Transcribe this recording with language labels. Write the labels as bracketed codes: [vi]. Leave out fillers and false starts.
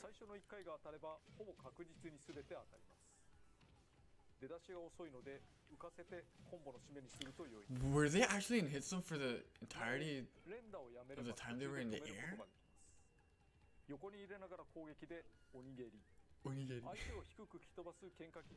[ja] 最初の1回が当たればほぼ確実に全て当たります。出だしが遅いので浮かせてコンボの締めにすると良い。 [en] Were they actually in hit zone for the entirety of the time they were in the air? [ja] 横に入れながら攻撃で鬼蹴り。鬼蹴り。相手を低く蹴飛ばす喧嘩キ